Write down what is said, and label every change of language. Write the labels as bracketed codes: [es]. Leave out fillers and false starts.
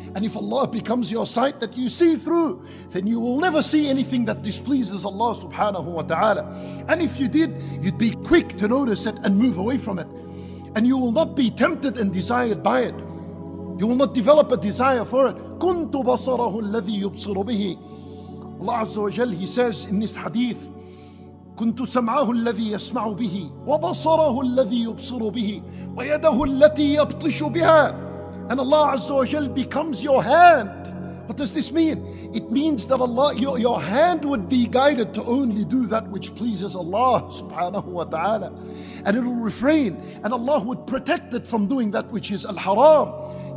[en] And if Allah becomes your sight that you see through, then you will never see anything that displeases Allah subhanahu wa ta'ala. And if you did, you'd be quick to notice it and move away from it. And you will not be tempted and desired by it. You will not develop a desire for it. [ar] كنت بصره الذي يبصر به. Allah Azza wa Jal, [en] He says in this hadith, [ar] كنت سمعه الذي يسمع به وبصره الذي يبصر به ويده التي يبطش بها. [en] And Allah Azza wa Jal becomes your hand. What does this mean? It means that Allah, your hand would be guided to only do that which pleases Allah subhanahu wa ta'ala. And it will refrain. And Allah would protect it from doing that which is al-haram.